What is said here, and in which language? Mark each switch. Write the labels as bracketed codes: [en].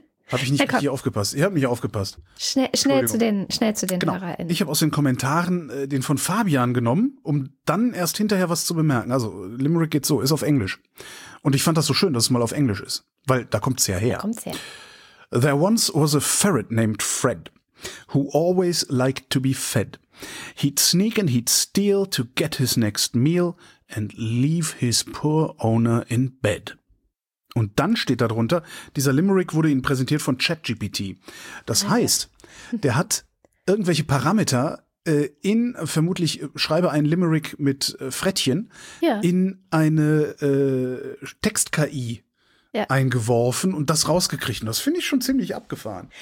[de] Habe ich nicht richtig aufgepasst. Ihr habt mich aufgepasst. Schnell zu den genau. HörerInnen. Ich habe aus den Kommentaren den von Fabian genommen, um dann erst hinterher was zu bemerken. Also Limerick geht so, ist auf Englisch. Und ich fand das so schön, dass es mal auf Englisch ist. Weil da kommt es ja her. [en] There once was a ferret named Fred, who always liked to be fed. He'd sneak and he'd steal to get his next meal and leave his poor owner in bed. [de] Und dann steht da drunter, dieser Limerick wurde Ihnen präsentiert von ChatGPT. Das heißt, der hat irgendwelche Parameter in, vermutlich schreibe einen Limerick mit Frettchen, in eine Text-KI eingeworfen und das rausgekriegt. Und das finde ich schon ziemlich abgefahren.